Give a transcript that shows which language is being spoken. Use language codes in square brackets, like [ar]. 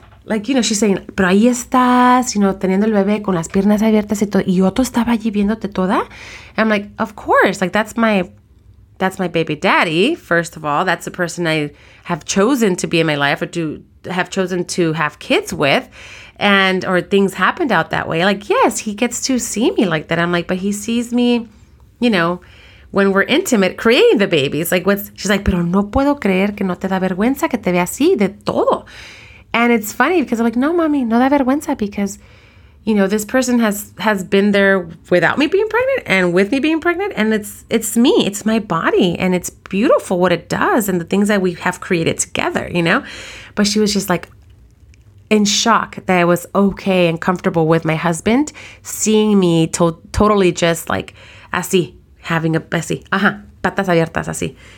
[en] Like, you know, she's saying, [es] pero ahí estás, [en] you know, [es] teniendo el bebé con las piernas abiertas y todo. ¿Y Oto estaba allí viéndote toda? [en] And I'm like, of course. Like, that's my baby daddy, first of all. That's the person I have chosen to be in my life or to have chosen to have kids with. And, or things happened out that way. Like, yes, he gets to see me like that. I'm like, but he sees me, you know, when we're intimate, creating the babies. Like, she's like, [es] pero no puedo creer que no te da vergüenza que te vea así de todo. [en] And it's funny because I'm like, no, mommy, [es] no da vergüenza [en] because, you know, this person has been there without me being pregnant and with me being pregnant. And it's me. It's my body. And it's beautiful what it does and the things that we have created together, you know. But she was just like in shock that I was okay and comfortable with my husband seeing me totally just like así, having a así, [es] ajá, patas abiertas así.